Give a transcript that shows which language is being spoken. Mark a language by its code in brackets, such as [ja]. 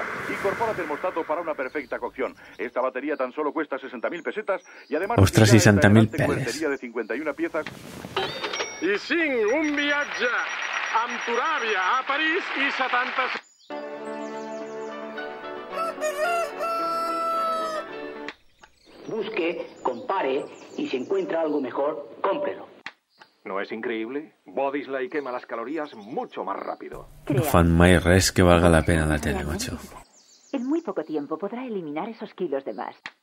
[es] Incorpora termostato para una perfecta cocción. Esta batería tan solo cuesta 60.000 pesetas y además... ¡Ostras, 60.000 pesetas! ...de 51 piezas... [ca] I cinc, un viatge amb Turàbia a París i 76... [es] Busque, compare y si encuentra algo mejor, cómprelo. ¿No es increíble? Bodyslay quema las calorías mucho más rápido. [ca] No fan mai res que [es] valga la pena [ca] la tele, macho. [es] En muy poco tiempo podrá eliminar esos kilos de más.